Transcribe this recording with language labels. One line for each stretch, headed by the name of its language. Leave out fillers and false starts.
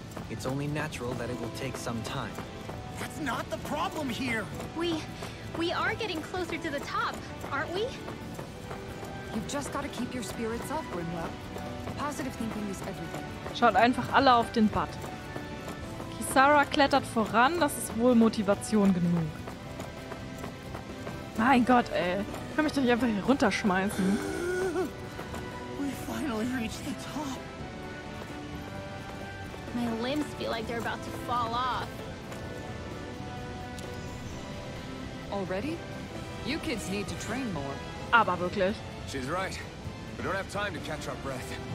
English: It's only natural that it will take some time. That's not the problem here. We are getting closer to the top, aren't we? You've just got to keep your spirits up, Grimla. Positive thinking is everything.
German: Schaut einfach alle auf den Butt. Kisara klettert voran, das ist wohl Motivation genug. Mein Gott, ey. Ich kann mich doch nicht einfach hier runterschmeißen.
English: We finally reached the top. My limbs feel like they're about to fall off. Already? You kids need to train more.
German: Aber wirklich.
English: She's right. We don't have time to catch our breath.